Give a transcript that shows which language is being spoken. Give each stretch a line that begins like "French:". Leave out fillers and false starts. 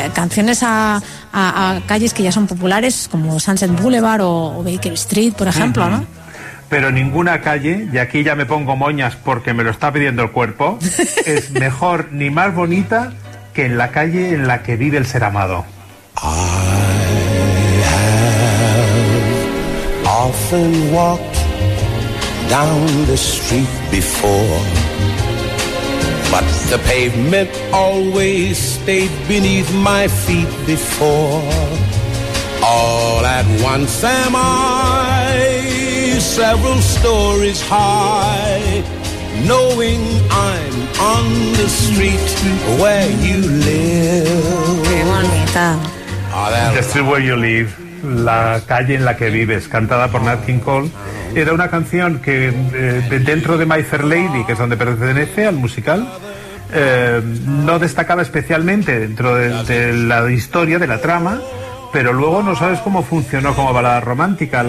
Spanish: canciones a calles que ya son populares, como Sunset Boulevard o Baker Street, por ejemplo, ¿no? Pero ninguna calle, y aquí ya me pongo moñas porque me lo está pidiendo el cuerpo, es mejor ni más bonita que en la calle en la que vive el ser amado.
English: I have often walked down the street before, but the pavement always stayed beneath my feet before. All at once am I several stories high, knowing I'm on the street where you live. The street where you live.
Spanish: La calle en la que vives, cantada por Nat King Cole. Era una canción que dentro de My Fair Lady, que es donde pertenece al musical, no destacaba especialmente dentro de la historia, de la trama, pero luego no sabes cómo funcionó como balada romántica.